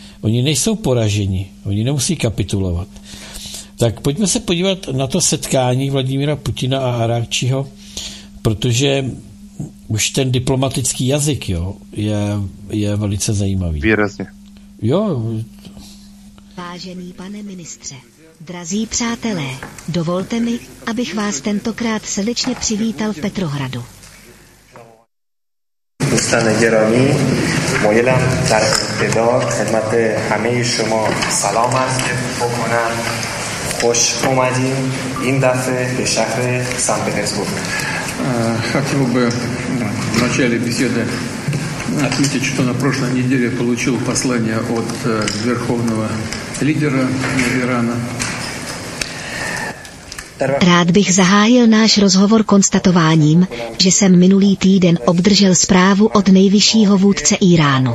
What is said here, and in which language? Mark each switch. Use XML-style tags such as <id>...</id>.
<cs>Oni nejsou poraženi, oni nemusí kapitulovat. Tak pojďme se podívat na to setkání Vladimíra Putina a Araghchiho, protože už ten diplomatický jazyk, jo, je velice zajímavý. Výrazně. Jo. Vážený pane ministře, drazí přátelé, dovolte mi, abych vás tentokrát srdečně přivítal v Petrohradu.</cs> <fa>دوستان گرامی مایلم در ابتدا خدمت همه شما سلام عرض بکنم. خوش اومدیم این دفعه به شهر سن پترزبورگ.</fa> <ru>Хотел бы в начале беседы отметить, что на прошлой неделе получил послание от верховного лидера Ирана.</ru> <cs>Rád bych zahájil náš rozhovor konstatováním, že jsem minulý týden obdržel zprávu od nejvyššího vůdce Íránu.</cs>